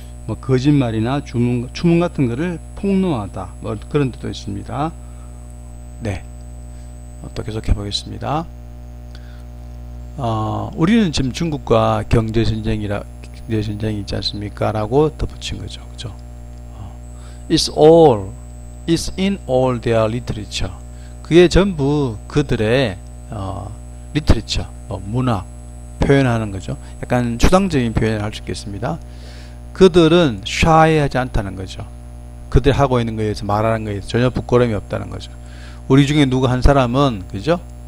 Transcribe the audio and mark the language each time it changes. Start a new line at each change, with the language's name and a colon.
Korean: 뭐 거짓말이나 주문 같은 거를 폭로하다 뭐 그런 뜻도 있습니다. 네, 또 계속해 보겠습니다. 우리는 지금 중국과 경제 전쟁이 있지 않습니까?라고 덧붙인 거죠, 그렇죠?
English: It's in all their literature.
Korean: 그게 전부 그들의 literature, 문학 표현하는 거죠. 약간 추상적인 표현을 할수 있겠습니다. 그들은 shy 하지 않다는 거죠. 그들이 하고 있는 거에 대해서 말하는 거에 대해서 전혀 부끄러움이 없다는 거죠. 우리 중에 누구 한 사람은, 그죠?